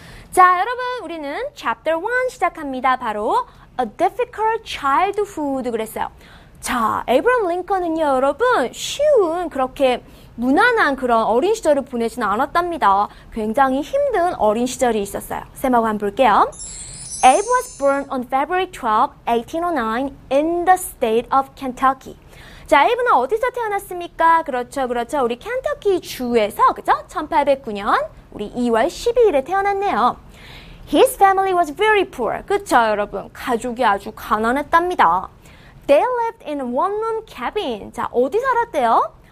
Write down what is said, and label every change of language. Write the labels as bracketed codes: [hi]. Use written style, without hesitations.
[ko] 자, 여러분, 우리는 chapter 1 시작합니다. 바로 [en] A difficult childhood [ko] 그랬어요. 자, 에이브라함 링컨은요, 여러분, 쉬운 그렇게 무난한 그런 어린 시절을 보내진 않았답니다. 굉장히 힘든 어린 시절이 있었어요. 쌤하고 한번 볼게요. [en] Abe was born on February 12, 1809 in the state of Kentucky. [ko] 자, 에이브는 어디서 태어났습니까? 그렇죠, 그렇죠. 우리 켄터키 주에서, 그죠? 1809년 우리 2월 12일에 태어났네요. [en] His family was very poor. [ko] 그쵸, 여러분? 가족이 아주 가난했답니다. [en] They lived in a one-room cabin. [ko] 자, 어디 살았대요?